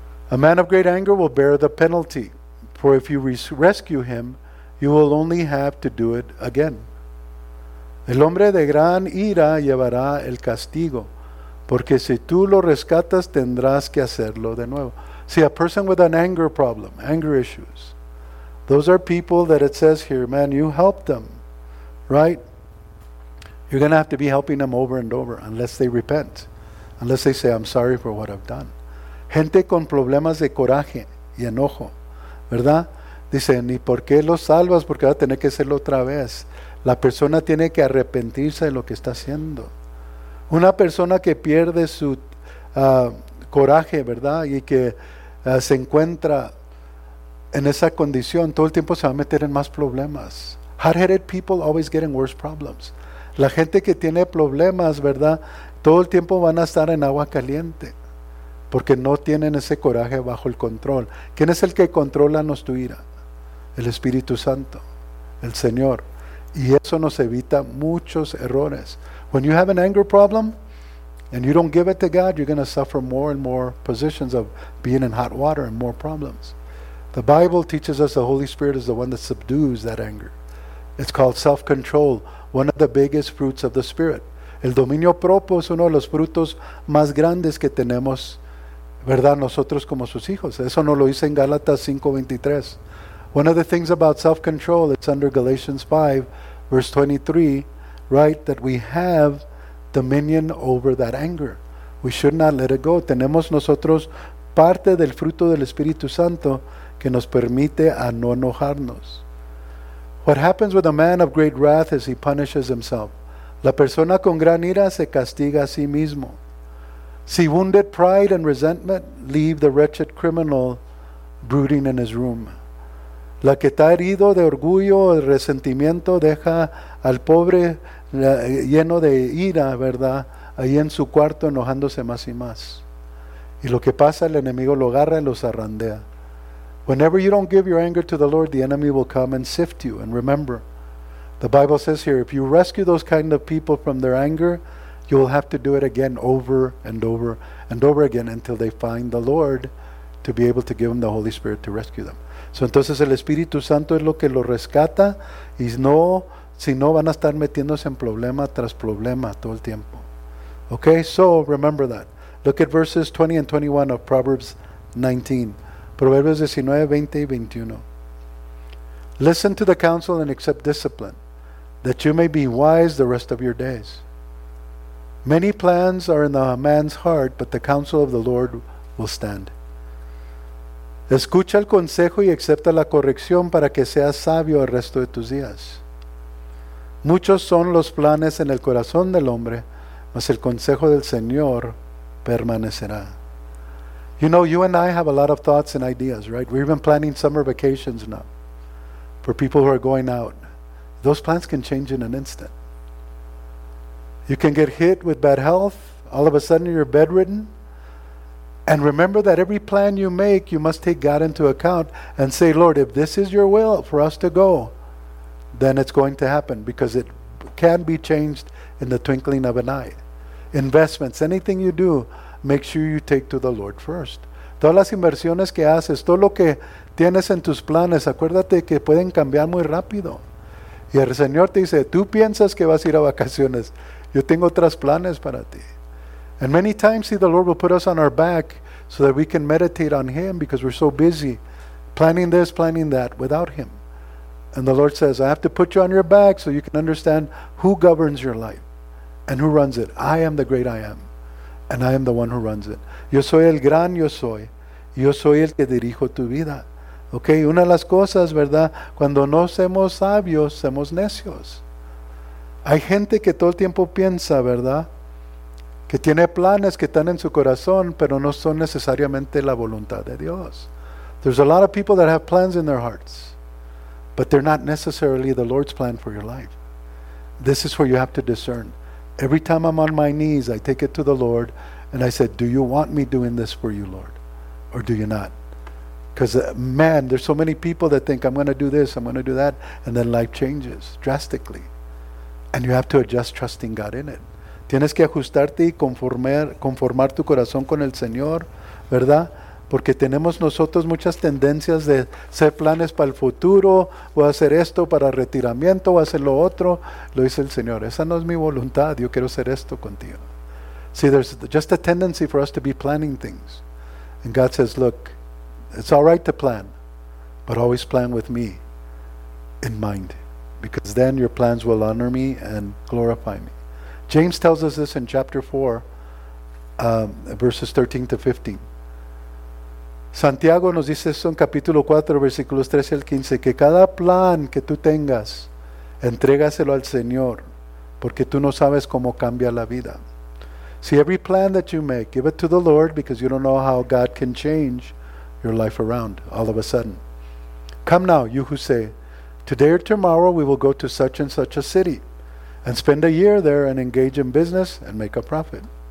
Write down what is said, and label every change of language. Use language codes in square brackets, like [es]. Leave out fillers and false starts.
[en] A man of great anger will bear the penalty, for if you rescue him, you will only have to do it again. [es] El hombre de gran ira llevará el castigo, porque si tú lo rescatas, tendrás que hacerlo de nuevo. [en] See, a person with an anger problem, anger issues, those are people that it says here, man, you help them, right? You're going to have to be helping them over and over unless they repent, unless they say, I'm sorry for what I've done. [es] Gente con problemas de coraje y enojo, ¿verdad? Dicen, ¿y por qué lo salvas? Porque va a tener que hacerlo otra vez. La persona tiene que arrepentirse de lo que está haciendo. Una persona que pierde su coraje, ¿verdad? Y que se encuentra en esa condición, todo el tiempo se va a meter en más problemas. [en] Hard-headed people always get in worse problems. [es] La gente que tiene problemas, ¿verdad?, todo el tiempo van a estar en agua caliente porque no tienen ese coraje bajo el control. ¿Quién es el que controla nuestra ira? El Espíritu Santo, el Señor. Y eso nos evita muchos errores. [en] When you have an anger problem and you don't give it to God, you're going to suffer more and more positions of being in hot water and more problems. The Bible teaches us the Holy Spirit is the one that subdues that anger. It's called self-control, one of the biggest fruits of the Spirit. [es] El dominio propio es uno de los frutos más grandes que tenemos, ¿verdad? Nosotros como sus hijos. Eso nos lo dice en Gálatas 5:23. [en] One of the things about self-control, it's under Galatians 5, verse 23, right? That we have dominion over that anger. We should not let it go. [es] Tenemos nosotros parte del fruto del Espíritu Santo que nos permite a no enojarnos. [en] What happens with a man of great wrath is he punishes himself. [es] La persona con gran ira se castiga a sí mismo. [en] See, wounded pride and resentment leave the wretched criminal brooding in his room. [es] La que está herido de orgullo o resentimiento deja al pobre lleno de ira, ¿verdad? Ahí en su cuarto enojándose más y más. Y lo que pasa, el enemigo lo agarra y lo zarandea. [en] Whenever you don't give your anger to the Lord, the enemy will come and sift you. And remember, the Bible says here, if you rescue those kind of people from their anger, you will have to do it again over and over and over again until they find the Lord to be able to give them the Holy Spirit to rescue them. [es] So entonces el Espíritu Santo es lo que lo rescata y no, si no van a estar metiéndose en problema tras problema todo el tiempo. [en] Okay, so remember that. Look at verses 20 and 21 of Proverbs 19. [es] Proverbios 19, 20 y 21. [en] Listen to the counsel and accept discipline, that you may be wise the rest of your days. Many plans are in the man's heart, but the counsel of the Lord will stand. [es] Escucha el consejo y acepta la corrección para que seas sabio el resto de tus días. Muchos son los planes en el corazón del hombre, mas el consejo del Señor permanecerá. [en] You know, you and I have a lot of thoughts and ideas, right? We're even planning summer vacations now for people who are going out. Those plans can change in an instant. You can get hit with bad health. All of a sudden, you're bedridden. And remember that every plan you make, you must take God into account and say, Lord, if this is your will for us to go, then it's going to happen because it can be changed in the twinkling of an eye. Investments, anything you do, make sure you take to the Lord first. [es] Todas las inversiones que haces, todo lo que tienes en tus planes, acuérdate que pueden cambiar muy rápido. Y el Señor te dice, tú piensas que vas a ir a vacaciones. Yo tengo otros planes para ti. [en] And many times, see, the Lord will put us on our back so that we can meditate on Him because we're so busy planning this, planning that without Him. And the Lord says, I have to put you on your back so you can understand who governs your life and who runs it. I am the great I am. And I am the one who runs it. [es] Yo soy el gran yo soy. Yo soy el que dirijo tu vida. Okay, una de las cosas, ¿verdad? Cuando no somos sabios, somos necios. Hay gente que todo el tiempo piensa, ¿verdad? Que tiene planes que están en su corazón, pero no son necesariamente la voluntad de Dios. [en] There's a lot of people that have plans in their hearts, but they're not necessarily the Lord's plan for your life. This is where you have to discern. Every time I'm on my knees, I take it to the Lord, and I said, do you want me doing this for you, Lord? Or do you not? Because, man, there's so many people that think, I'm going to do this, I'm going to do that, and then life changes drastically. And you have to adjust trusting God in it. [es] Tienes que ajustarte y conformar tu corazón con el Señor, ¿verdad? Porque tenemos nosotros muchas tendencias de hacer planes para el futuro, voy a hacer esto para retiramiento, voy a hacer lo otro. Lo dice el Señor, esa no es mi voluntad, yo quiero hacer esto contigo. [en] See, there's just a tendency for us to be planning things. And God says, look, it's all right to plan, but always plan with me in mind. Because then your plans will honor me and glorify me. James tells us this in chapter 4, verses 13 to 15. [es] Santiago nos dice eso en capítulo 4, versículos 13 al 15, que cada plan que tú tengas, entrégaselo al Señor, porque tú no sabes cómo cambia la vida. [en] See, every plan that you make, give it to the Lord, because you don't know how God can change your life around all of a sudden. Come now, you who say, today or tomorrow we will go to such and such a city, and spend a year there and engage in business and make a profit.